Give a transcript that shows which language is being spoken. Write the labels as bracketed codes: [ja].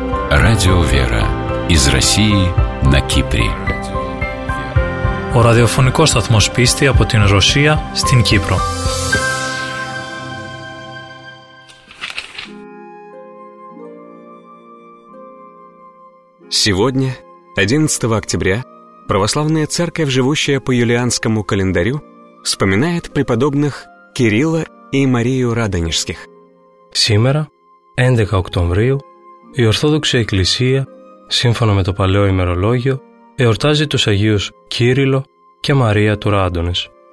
[ru] Радио «Вера» из России на Кипре. [el] Ο ραδιοφωνικός σταθμός πίστη από την Ρωσία στην Κύπρο. [ru] Сегодня, 11 октября, Православная Церковь, живущая по юлианскому календарю, вспоминает преподобных Кирилла и Марию Радонежских. Сегодня, 11 октября, [el] η Ορθόδοξη Εκκλησία, σύμφωνα με το παλαιό ημερολόγιο, εορτάζει τους Αγίους Κύριλλο και Μαρία του Ράντονης.